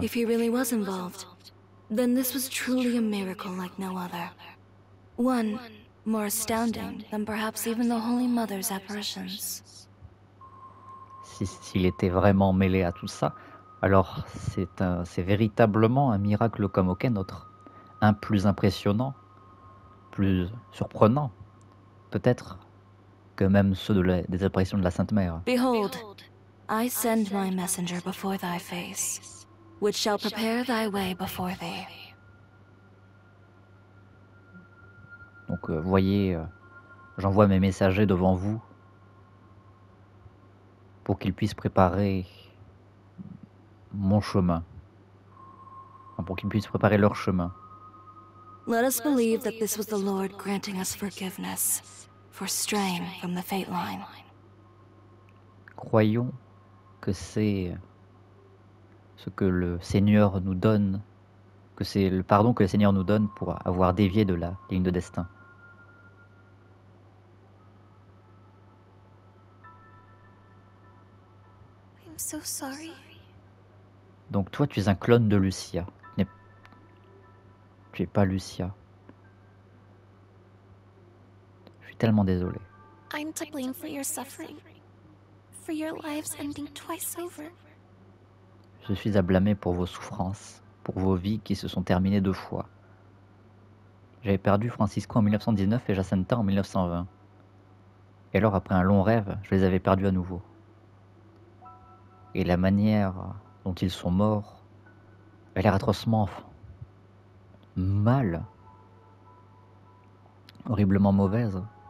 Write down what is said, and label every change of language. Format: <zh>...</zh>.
<en>If he really was involved, then this was truly a miracle like no other. One more astounding than perhaps even the Holy Mother's apparitions.</en> <fr>Si s'il était vraiment mêlé à tout ça, alors c'est véritablement un miracle comme aucun autre, un plus impressionnant. Plus surprenant, peut-être, que même ceux des apparitions de la Sainte Mère.</fr> <en>Behold, I send my messenger before thy face, which shall prepare thy way before thee.</en> <fr>Donc, voyez, j'envoie mes messagers devant vous pour qu'ils puissent préparer mon chemin. Enfin, pour qu'ils puissent préparer leur chemin.</fr> <en>Let us believe that this was the Lord granting us forgiveness for straying from the fate line.</en> <fr>Croyons que c'est ce que le Seigneur nous donne, que c'est le pardon que le Seigneur nous donne pour avoir dévié de la ligne de destin.</fr> <en>I'm so sorry.</en> <fr>Donc toi, tu es un clone de Lucia. Tu n'es pas Lucia. Je suis tellement désolé.</fr> <en>I'm to blame for your suffering. For your lives ending twice over.</en> <fr>Je suis à blâmer pour vos souffrances, pour vos vies qui se sont terminées deux fois. J'avais perdu Francisco en 1919 et Jacinta en 1920. Et alors, après un long rêve, je les avais perdus à nouveau. Et la manière dont ils sont morts a l'air atrocement mal, horriblement mauvaise.</fr>